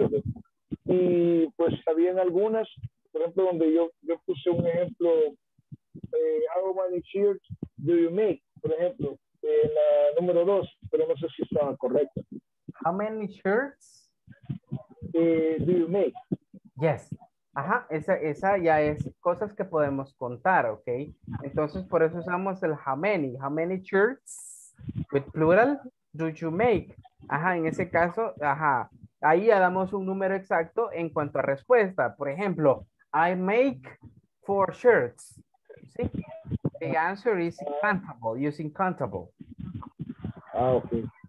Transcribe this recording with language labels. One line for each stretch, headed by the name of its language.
Spanish: ¿Ok? Y pues habían algunas, por ejemplo, donde yo puse un ejemplo,
English: how many sheep do you make,
Spanish: por ejemplo. La número dos, pero no sé si estaba correcto.
English: How many shirts do you make? Yes.
Spanish: Ajá, esa ya es cosas que podemos contar, ¿ok? Entonces, por eso usamos el how many.
English: How many shirts with plural do you make?
Spanish: Ajá, en ese caso, ajá. Ahí ya damos un número exacto en cuanto a respuesta. Por ejemplo,
English: I make 4 shirts. ¿Sí? The answer is countable, using countable. Ah, okay.